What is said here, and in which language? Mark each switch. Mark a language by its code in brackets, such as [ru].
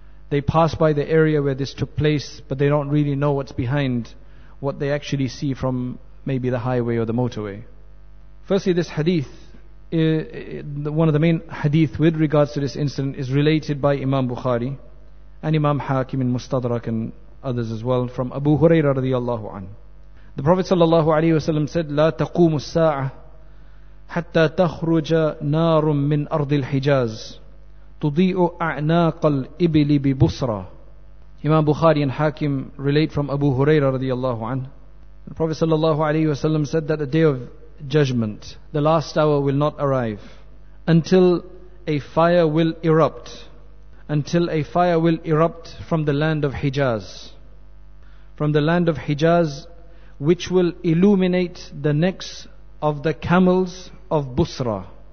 [en] They pass by the area where this took place, but they don't really know what's behind what they actually see from maybe the highway or the motorway. Firstly, this hadith, one of the main hadith with regards to this incident, is related by Imam Bukhari and Imam Hakim in Mustadrak and others as well, from Abu Hurairah radiallahu anhu. The Prophet sallallahu alayhi wa sallam said, [ar] لا تقوم الساعة حتى تخرج نار من أرض الحجاز تضيء أعناق الإبل ببصرة. [en] Imam Bukhari and Hakim relate from Abu Hurairah radiallahu anhu. The Prophet sallallahu alayhi wa sallam said that the day of judgment, the last hour, will not arrive until a fire will erupt, until a fire will erupt from the land of Hijaz, from the land of Hijaz, which will illuminate the necks of the camels of Busra.